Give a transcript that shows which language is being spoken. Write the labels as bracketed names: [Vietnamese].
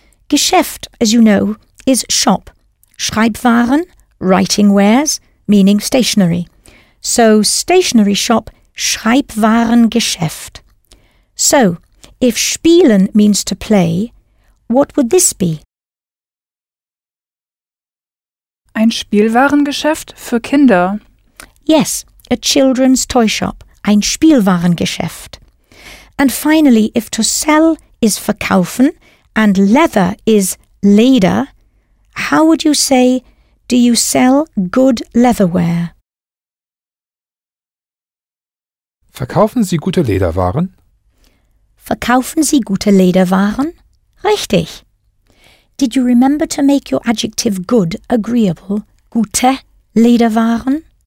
[English] Geschäft, as you know, is shop. Schreibwaren, writing wares, meaning stationery. So, stationery shop, Schreibwarengeschäft. So, if spielen means to play, what would this be? [German] Ein Spielwarengeschäft für Kinder. [English] Yes, a children's toy shop. [German] Ein Spielwarengeschäft. [English] And finally, if to sell is verkaufen and leather is Leder, how would you say, do you sell good leatherware? [German] Verkaufen Sie gute Lederwaren? Verkaufen Sie gute Lederwaren? Richtig. [English] Did you remember to make your adjective good agreeable? [German] Gute Lederwaren?